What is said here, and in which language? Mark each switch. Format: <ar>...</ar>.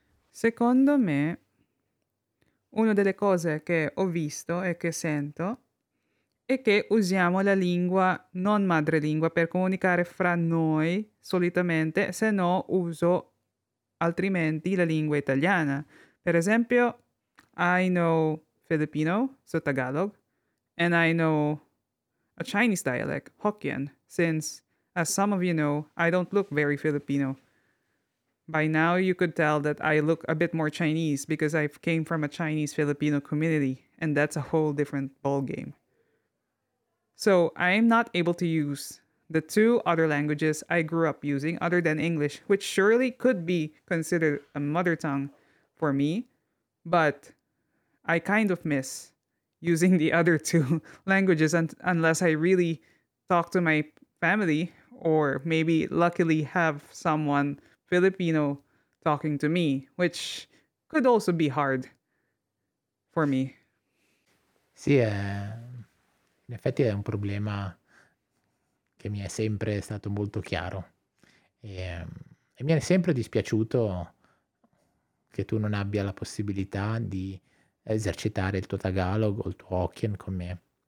<it>Secondo me, una delle cose che ho visto e che sento e che usiamo la lingua non madrelingua per comunicare fra noi solitamente, se no uso altrimenti la lingua italiana. Per esempio,</it> <en>I know Filipino, so Tagalog, and I know a Chinese dialect, Hokkien, since, as some of you know, I don't look very Filipino. By now, you could tell that I look a bit more Chinese because I came from a Chinese-Filipino community, and that's a whole different ballgame. So I am not able to use the two other languages I grew up using other than English, which surely could be considered a mother tongue for me, but I kind of miss using the other two languages unless I really talk to my family or maybe luckily have someone Filipino talking to me, which could also be hard for me.</en> <it>Sì, in effetti è un problema che mi è sempre stato molto chiaro e mi è sempre dispiaciuto che tu non abbia la possibilità di esercitare il tuo Tagalog o il tuo Hokkien con me.</it>